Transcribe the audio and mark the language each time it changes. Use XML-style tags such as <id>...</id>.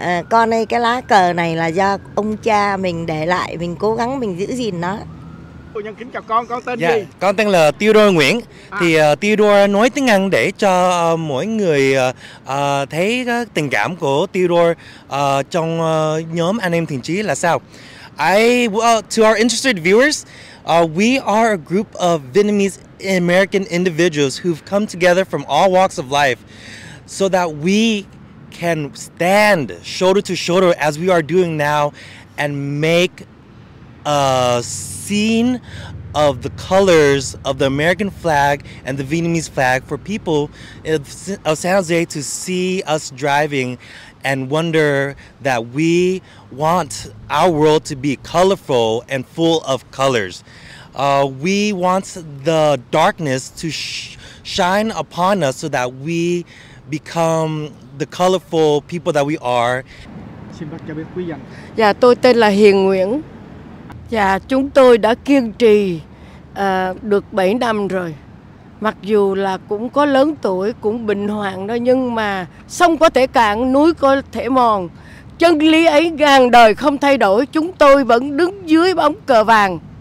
<vi>Con ơi, cái lá cờ này là do ông cha mình để lại, mình cố gắng mình giữ gìn nó. Nhân kính chào con tên gì? Con tên là Theodore Nguyễn. Thì Theodore nói tiếng Anh để cho mỗi người thấy tình cảm của Theodore trong nhóm anh em thiện chí là sao.</vi> <en>To our interested viewers, we are a group of Vietnamese American individuals who've come together from all walks of life so that we can stand shoulder to shoulder as we are doing now and make a scene of the colors of the American flag and the Vietnamese flag for people of San Jose to see us driving and wonder that we want our world to be colorful and full of colors. We want the darkness to shine upon us so that we become the colorful people that we are.</en> <vi>Xin bác cho biết quý danh. Dạ, tôi tên là Hiền Nguyễn. Dạ, chúng tôi đã kiên trì được 7 năm rồi. Mặc dù là cũng có lớn tuổi, cũng bình hoạn đó, nhưng mà sông có thể cạn, núi có thể mòn. Chân lý ấy ngàn đời không thay đổi, chúng tôi vẫn đứng dưới bóng cờ vàng.</vi>